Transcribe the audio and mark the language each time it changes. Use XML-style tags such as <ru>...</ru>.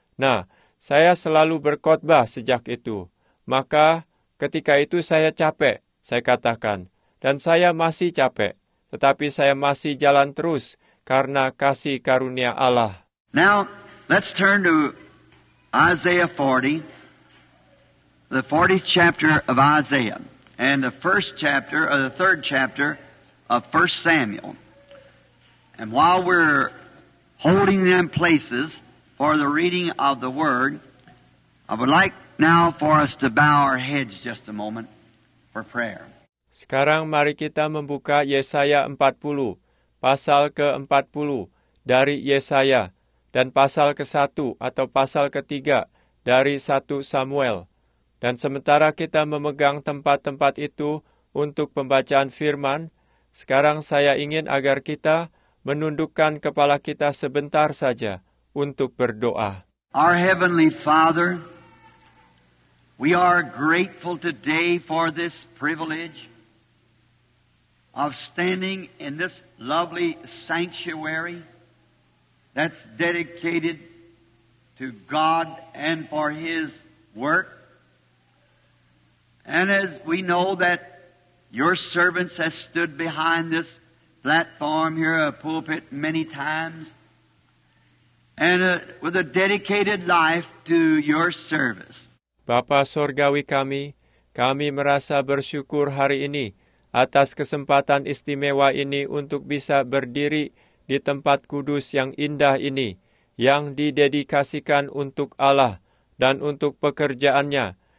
<id>Nah, saya selalu berkhotbah sejak itu. Maka, ketika itu saya capek, saya katakan. Dan saya masih capek. Tetapi saya masih jalan terus karena kasih karunia Allah.</id> <en>Now, let's turn to Isaiah 40, the 40th chapter of Isaiah, and the first chapter, or the third chapter of 1 Samuel. And while we're holding them places for the reading of the Word, I would like now for us to bow our heads just a moment for prayer.</en> <id>Sekarang mari kita membuka Yesaya 40, pasal ke-40 dari Yesaya, dan pasal ke-1 atau pasal ke-3 dari 1 Samuel. Dan sementara kita memegang tempat-tempat itu untuk pembacaan firman, sekarang saya ingin agar kita menundukkan kepala kita sebentar saja untuk berdoa.</id> <en>Our Heavenly Father, we are grateful today for this privilege of standing in this lovely sanctuary that's dedicated to God and for His work. And as we know that Your servants have stood behind this platform here, a pulpit, many times, and with a dedicated life to Your service.</en> <id>Bapa Sorgawi kami, kami merasa bersyukur hari ini atas kesempatan istimewa ini untuk bisa berdiri di tempat kudus yang indah ini, yang didedikasikan untuk Allah dan untuk pekerjaannya.</id>